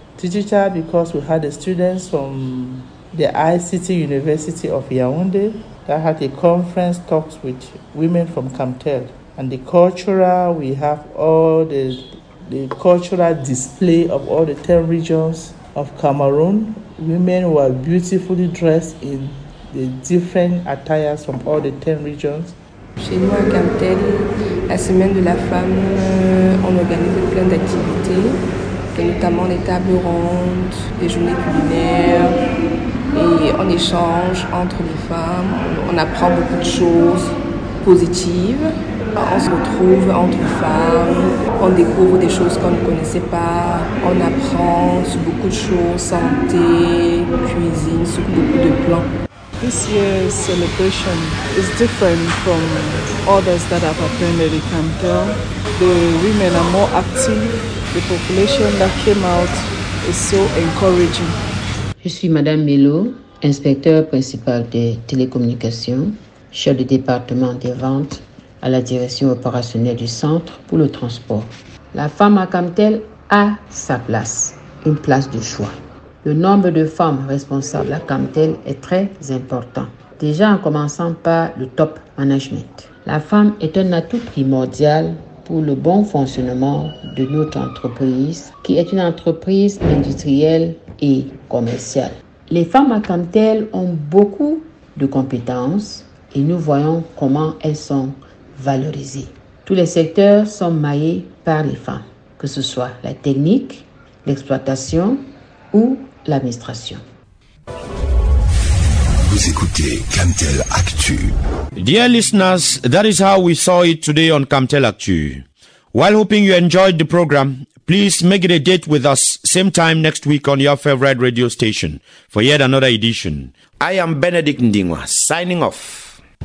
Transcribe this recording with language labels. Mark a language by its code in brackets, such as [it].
[en] Digital because we had the students from the ICT University of Yaoundé that had a conference talks with women from Camtel. And the cultural, we have all the cultural display of all the 10 regions of Cameroon. Women were beautifully dressed in the different attires from all the 10 regions. [fr] Chez nous à Camtel, la semaine de la femme, on organise plein d'activités, et notamment des tables rondes, des journées culinaires, et on échange entre les femmes, on apprend beaucoup de choses positives, on se retrouve entre femmes, on découvre des choses qu'on ne connaissait pas, on apprend sur beaucoup de choses, santé, cuisine, sur beaucoup de plans. [en] This year's celebration is different from others that have attended the Camtel. The women are more active. The population that came out is so encouraging. [fr] Je suis Madame Melo, inspecteur principal des télécommunications, chef de département des ventes à la direction opérationnelle du centre pour le transport. La femme à Camtel a sa place, une place de choix. Le nombre de femmes responsables à Camtel est très important. Déjà en commençant par le top management. La femme est un atout primordial pour le bon fonctionnement de notre entreprise, qui est une entreprise industrielle et commerciale. Les femmes à Camtel ont beaucoup de compétences et nous voyons comment elles sont valorisées. Tous les secteurs sont maillés par les femmes, que ce soit la technique, l'exploitation ou l'administration. Vous écoutez Camtel Actu. [en] Dear listeners, that is how we saw it today on Camtel Actu. While hoping you enjoyed the program, please make it a date with us same time next week on your favorite radio station for yet another edition. I am Benedict Ndingwa, signing off.